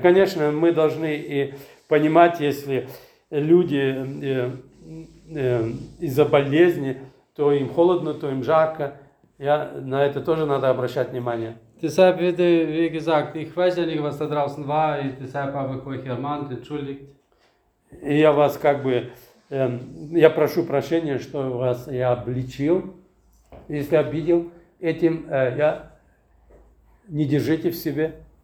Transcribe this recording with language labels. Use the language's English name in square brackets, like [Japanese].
[Russian] Конечно, мы должны и понимать, если люди из-за болезни, то им холодно, то им жарко. Я на это тоже надо обращать внимание. [German] Deshalb, wie gesagt, ich weiß ja nicht, was da draußen war, deshalb habe ich euch ermahnt, entschuldigt. [Russian] Я вас как бы я прошу прощения, что вас я обличил. Если обидел этим, я не держите в себе.